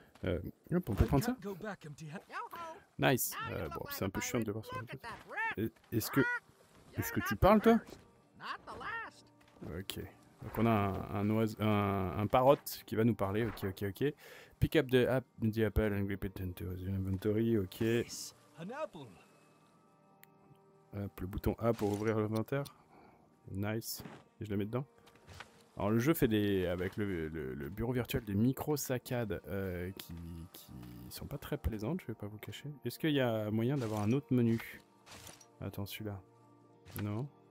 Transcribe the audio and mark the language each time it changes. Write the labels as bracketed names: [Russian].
[French] On peut prendre ça? Nice. Bon, c'est un peu chiant de le voir ça. Est-ce que tu parles, toi? Ok. Donc on a un parrotte qui va nous parler. Ok. [English] Pick up the apple and grip it into the inventory. Ok. [French] Hop, le bouton A pour ouvrir l'inventaire. Nice. Et je le mets dedans. Alors le jeu fait avec le bureau virtuel des micro saccades qui sont pas très plaisantes, je vais pas vous cacher. Est-ce qu'il y a moyen d'avoir un autre menu? Attends, celui-là. Non.